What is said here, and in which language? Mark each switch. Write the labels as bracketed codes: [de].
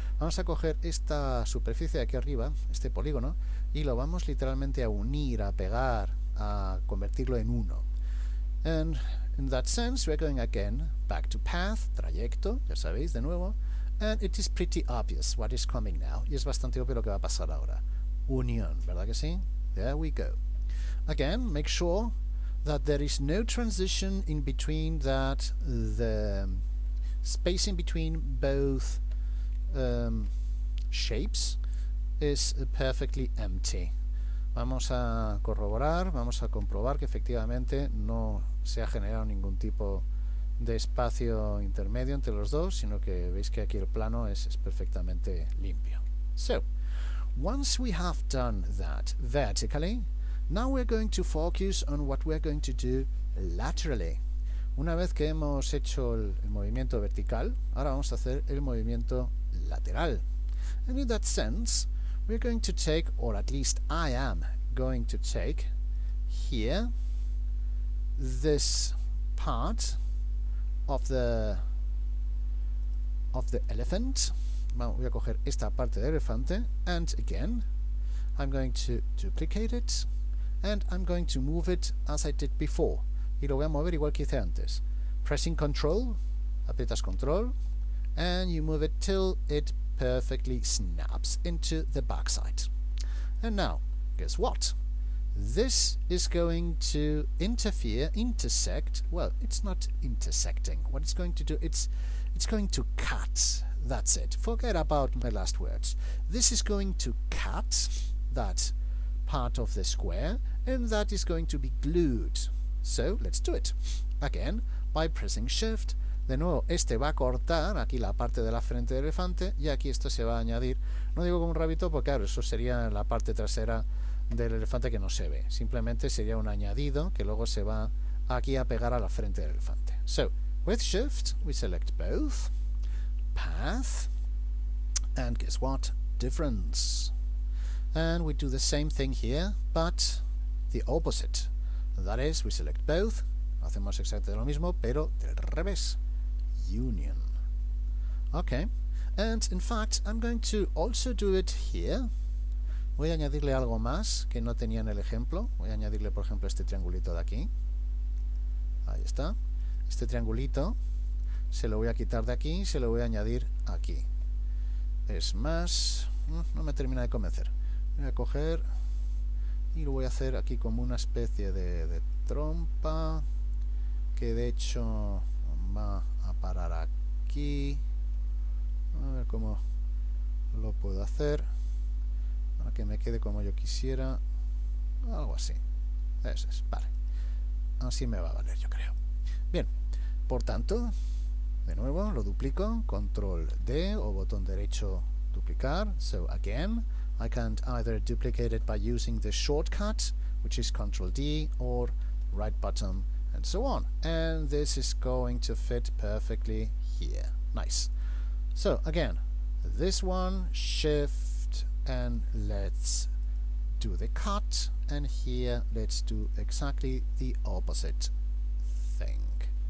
[es] Vamos a coger esta superficie de aquí arriba, este polígono, y lo vamos literalmente a unir, a pegar, a convertirlo en uno. [en] And in that sense, we are going again back to path, [es] trayecto, ya sabéis, de nuevo, [en] and it is pretty obvious what is coming now. [es] Y es bastante obvio lo que va a pasar ahora. Unión, ¿verdad que sí? [en] There we go. Again, make sure that there is no transition in between, that the space in between both shapes is perfectly empty. [es] Vamos a corroborar, vamos a comprobar que efectivamente no se ha generado ningún tipo de espacio intermedio entre los dos, sino que veis que aquí el plano es perfectamente limpio. [en] So, once we have done that vertically, now we're going to focus on what we're going to do laterally. [es] Una vez que hemos hecho el movimiento vertical, ahora vamos a hacer el movimiento lateral. [en] And in that sense, we're going to take, or at least I am going to take, here, this part of the elephant. [es] Voy a coger esta parte del elefante, [en] and again, I'm going to duplicate it, and I'm going to move it as I did before. [es] Y lo voy a mover igual que hice antes. [en] Pressing control, [es] aprietas control, [en] and you move it till it perfectly snaps into the backside. And now, guess what? This is going to intersect. Well, it's not intersecting. What it's going to do, it's going to cut. That's it. Forget about my last words. This is going to cut that part of the square, and that is going to be glued. So, let's do it. Again, by pressing shift. [es] De nuevo, este va a cortar aquí la parte de la frente del elefante, y aquí esto se va a añadir. No digo como un rabito, porque claro, eso sería la parte trasera del elefante que no se ve. Simplemente sería un añadido que luego se va aquí a pegar a la frente del elefante. [en] So, with shift, we select both. Path. And guess what? Difference. And we do the same thing here, but the opposite. That is, we select both. [es] Hacemos exactamente lo mismo, pero del revés. [en] Union. Okay. And in fact, I'm going to also do it here. [es] Voy a añadirle algo más que no tenía en el ejemplo. Voy a añadirle, por ejemplo, este triangulito de aquí. Ahí está. Este triangulito se lo voy a quitar de aquí y se lo voy a añadir aquí. Es más, no me termina de convencer. Voy a coger y lo voy a hacer aquí como una especie de trompa, que de hecho va a parar aquí. A ver cómo lo puedo hacer para que me quede como yo quisiera. Algo así. Eso es, vale. Así me va a valer, yo creo. Bien, por tanto, de nuevo lo duplico, control D o botón derecho duplicar. [en] So again, I can either duplicate it by using the shortcut, which is control D, or right button, and so on. And this is going to fit perfectly here. Nice. So again, this one, shift, and let's do the cut, and here let's do exactly the opposite thing.